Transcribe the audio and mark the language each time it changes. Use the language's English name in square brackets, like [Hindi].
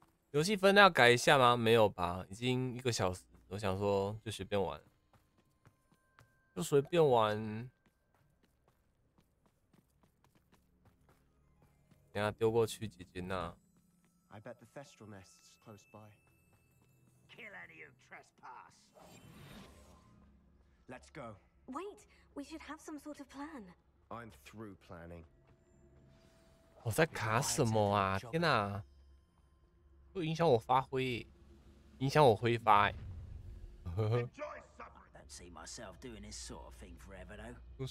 [Chinese] 游戏分量改一下吗？没有吧，已经一个小时。我想说就随便玩。就随便玩，等下丢过去姐姐那。 [English] I bet the Thestral nest is close by. Kill any who trespass. Let's go. Wait, we should have some sort of plan. I'm through planning. [Chinese] 我在卡什么啊？天哪、啊，会影响我发挥，影响我挥发、欸。 [English] See myself doing this sort of thing forever, though.